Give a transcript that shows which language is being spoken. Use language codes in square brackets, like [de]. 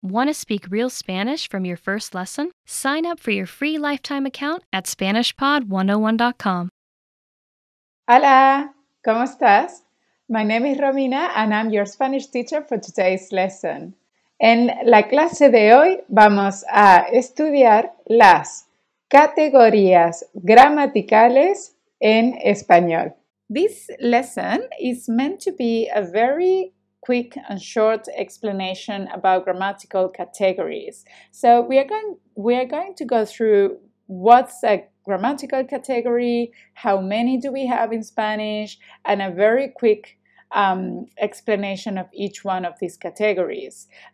[en] Want to speak real Spanish from your first lesson? Sign up for your free lifetime account at SpanishPod101.com. [es] Hola, ¿cómo estás? [en] My name is Romina and I'm your Spanish teacher for today's lesson. [es] En la clase de hoy vamos a estudiar las categorías gramaticales en español. [en] This lesson is meant to be a very quick and short explanation about grammatical categories. So we are going to go through what's a grammatical category, how many do we have in Spanish, and a very quick explanation of each one of these categories.